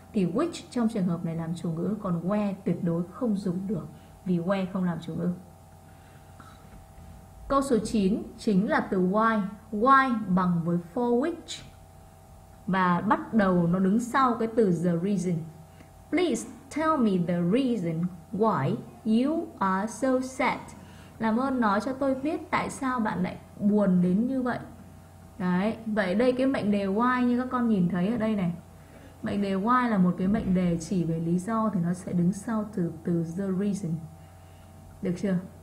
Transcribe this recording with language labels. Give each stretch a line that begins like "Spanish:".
Vietnamese: Thì which trong trường hợp này làm chủ ngữ, còn where tuyệt đối không dùng được vì where không làm chủ ngữ. Câu số 9 chính là từ why. Why bằng với for which và bắt đầu nó đứng sau cái từ the reason.
English: Please tell me the reason why you are so sad.
Vietnamese: Làm ơn nói cho tôi biết tại sao bạn lại buồn đến như vậy. Đấy, vậy đây cái mệnh đề why như các con nhìn thấy ở đây này. Mệnh đề why là một cái mệnh đề chỉ về lý do thì nó sẽ đứng sau từ từ the reason. Được chưa?